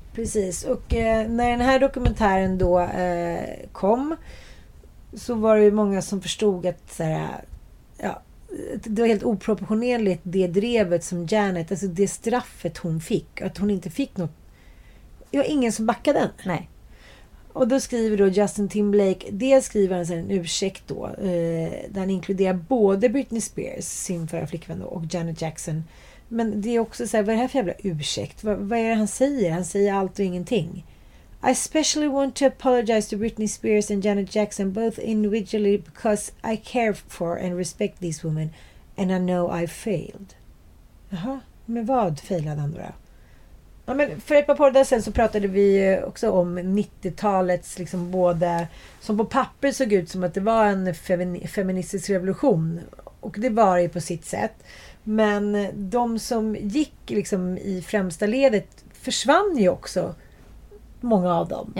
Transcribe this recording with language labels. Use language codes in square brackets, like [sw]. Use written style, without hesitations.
[sv] Precis, och när den här dokumentären då kom så var det ju många som förstod att så här, ja, det var helt oproportionerligt det drevet som Janet, alltså det straffet hon fick, att hon inte fick något. Jag har ingen som backar den. Nej. Och då skriver då Justin Timberlake, dels skriver han en ursäkt då, där han inkluderar både Britney Spears, sin förra flickvän då, och Janet Jackson. Men det är också så här, vad är det här för jävla ursäkt? Vad är det han säger? Han säger allt och ingenting. [en] I especially want to apologize to Britney Spears and Janet Jackson both individually because I care for and respect these women and I know I failed. [sv] Jaha, men vad failade han då? Ja, men för ett par poddar sen så pratade vi också om 90-talets liksom, både som på papper såg ut som att det var en feministisk revolution, och det var det på sitt sätt, men de som gick liksom i främsta ledet försvann ju också, många av dem.